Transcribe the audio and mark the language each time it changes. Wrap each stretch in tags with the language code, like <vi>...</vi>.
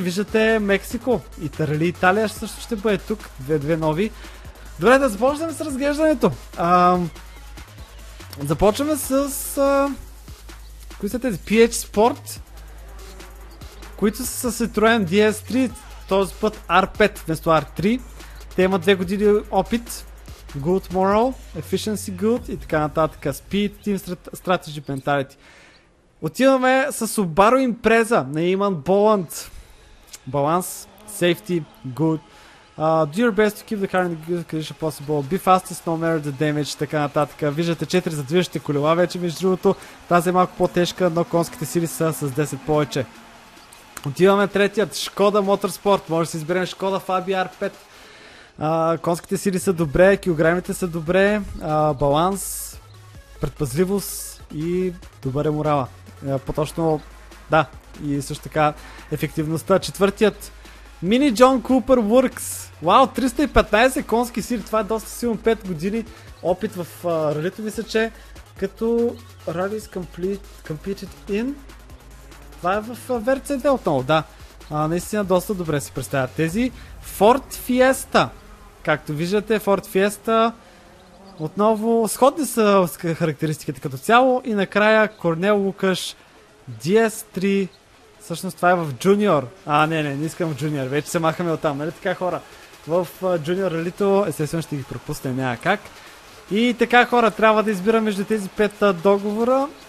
<bg>Виждате Мексико, Италия, Италия също ще бъде тук. Две нови. Добре, да започваме с разглеждането. Започваме с... кои са тези? PH Sport. Които са с Citroen DS3. Този път R5 вместо R3. Те имат 2 години опит.</bg> <en>Good Moral, Efficiency Good</en> <bg>и така нататък.</bg> <en>Speed, Team Strategy, Mentality.</en> <bg>Отиваме с Subaru Impreza на Eamon Boland.</bg> <en>Balance, Safety, Good. Do your best to keep the car in the good condition possible. Be fastest, no matter the damage,</en> <bg>така нататък. Виждате 4 задвижащи колела вече, между другото. Тази е малко по-тежка, но конските сили са с 10 повече. Отиваме третият, Skoda Motorsport. Може да си изберем Skoda Fabia R5. Конските сили са добре, килограмите са добре, баланс, предпазливост и добър е морала. По-точно, да, и също така ефективността. Четвъртият, Mini John Cooper Works. Вау, 315 конски сили, това е доста силно, 5 години опит в ралито, мисля, че като</bg> <en>Rally is completed in.</en> <bg>Това е в VRC2 отново, да. Наистина доста добре си представя. Тези Ford Fiesta. Както виждате, Ford Fiesta отново сходни са с характеристиките като цяло. И накрая Корнел Лукаш DS3. Всъщност това е в Junior. Не искам в Junior. Вече се махаме от там, нали така, хора? В Junior Ralito, естествено, ще ги пропусне някак. И така, хора, трябва да избираме между тези 5 договора.</bg>